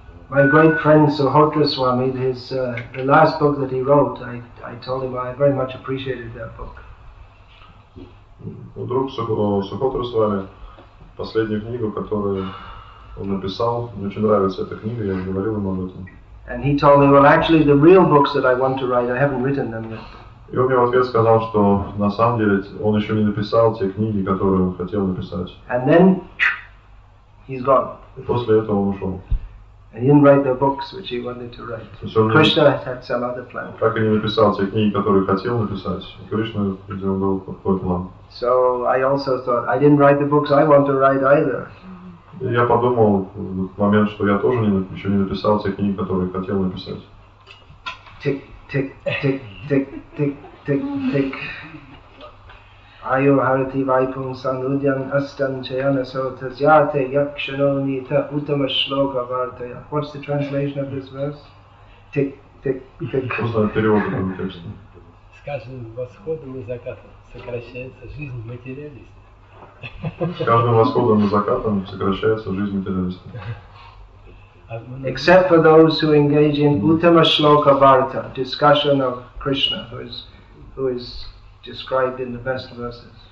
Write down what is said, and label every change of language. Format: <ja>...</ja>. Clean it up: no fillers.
<en>My great friend Suhotra Swami, the last book that he wrote, I told him I very much appreciated that book.</en> <ru>Друг Сухотра с вами, последнюю книгу, которую он написал, мне очень нравится эта книга, я говорил ему об этом.</ru> <en>And he told me, well, actually, the real books that I want to write, I haven't written them yet.</en> <ru>И он мне в ответ сказал, что на самом деле он еще не написал те книги, которые он хотел написать.</ru> <en>And then he's gone.</en> <ru>И после этого он ушел.</ru> <en>And he didn't write the books which he wanted to write. Krishna had some other plan.</en> <ru>Так и не написал те книги, которые хотел написать. Кришна, видимо, был какой план.</ru> <en>So I also thought, I didn't write the books I want to write either.</en> <ru>И я подумал в этот момент, что я тоже еще не написал те книги, которые хотел написать. Тик, тик, тик, тик, тик, тик, тик.</ru> <sa>Айо харати вайпун санудян астан чаяна саутазьяте якшано нита утама шлока вартая.</sa> <en>What's the translation of this verse? Тик, тик, тик.</en> <ru>Просто перевод этого текста. С каждым восходом и закатом сокращается жизнь материалиста. С каждым восходом и закатом сокращается жизнь материалиста.</ru> <en>Except for those who engage in Uttama Shloka Varta, discussion of Krishna, who is described in the best verses.</en>